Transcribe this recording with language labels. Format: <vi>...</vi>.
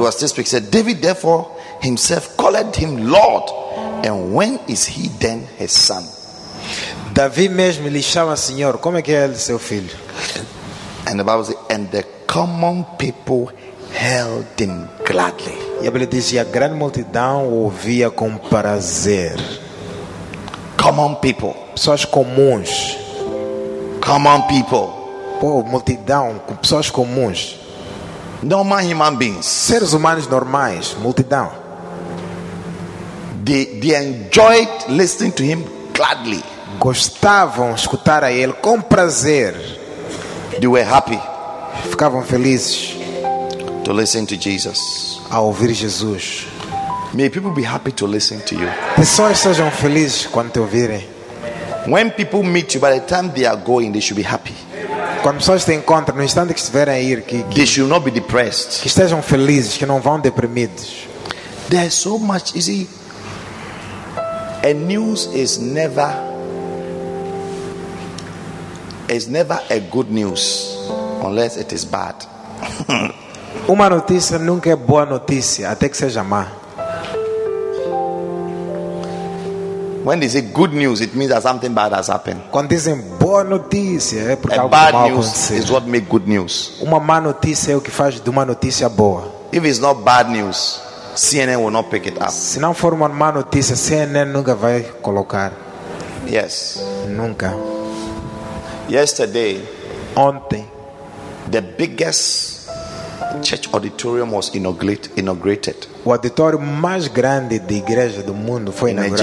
<en>He was just speaking. David therefore himself called him Lord. And when is he then his son?</en> <pt>Davi mesmo lhe chama Senhor. Como é que é ele seu filho?</pt> <en>And the Bible says, and the common people held him gladly.</en> <pt>E a Bíblia diz, a grande multidão ouvia com prazer.</pt> <en>Common people.</en> <pt>Pessoas comuns.</pt> <en>Common people.</en> <pt>Pô, multidão, pessoas comuns.</pt> <en>Normal human beings.</en> <pt>Seres humanos normais, multidão.</pt> <en>They enjoyed listening to him gladly.</en> <pt>Gostavam escutar a ele com prazer.</pt> <en>They were happy.</en> <pt>Ficavam felizes.</pt> <en>To listen to Jesus.</en> <pt>A ouvir Jesus.</pt> <en>May people be happy to listen to you.</en> <pt>Pessoas sejam felizes quando te ouvirem.</pt> <en>When people meet you, by the time they are going, they should be happy.</en> <pt>Quando pessoas te encontram, no instante que estiverem a ir,</pt> <en>they should not be depressed.</en> <pt>Que estejam felizes, que não vão deprimidos.</pt> <en>There is so much, you see. A news is never, a good news unless it is bad.</en> <pt>Uma notícia nunca é boa notícia até que seja má.</pt> <en>When they say good news, it means that something bad has happened.</en> <pt>Quando dizem boa notícia, é porque a algo mal aconteceu.</pt> <en>Bad news is what makes good news.</en> <pt>Uma má notícia é o que faz de uma notícia boa.</pt> <en>If it's not bad news, CNN will not pick it up.</en> <pt>Se não for uma má notícia, CNN nunca vai colocar.</pt> <en>Yes.</en> <pt>Nunca.</pt> <en>Yesterday,</en> <pt>ontem,</pt> <en>the biggest church auditorium was inaugurated.</en> <pt>O auditório mais grande da igreja do mundo foi inaugurado.</pt>